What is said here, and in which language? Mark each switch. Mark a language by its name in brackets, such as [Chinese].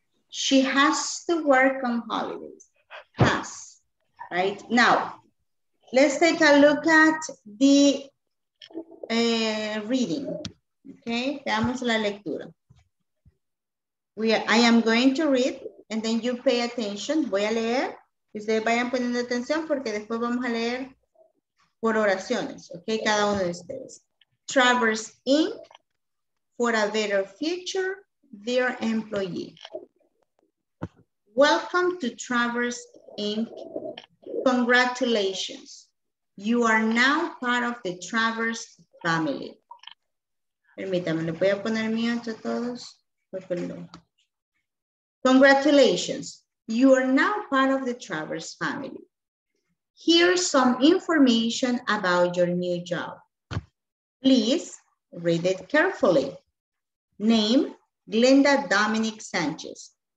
[English] She has to work on holidays. Has. Right? Now, let's take a look at the reading, okay? [Spanish] Veamos la lectura. [English] I am going to read, and then you pay attention. [Spanish] Voy a leer. Ustedes vayan poniendo atención porque después vamos a leer por oraciones, okay? Cada uno de ustedes. [English] Travers Inc. for a better future, their employee. Welcome to Travers Inc. Congratulations. You are now part of the Travers family. [Spanish] Permítame, le voy a poner mío a todos. [English] Congratulations. You are now part of the Travers family. Here's some information about your new job. Please read it carefully. Name, Glenda Dominic Sanchez.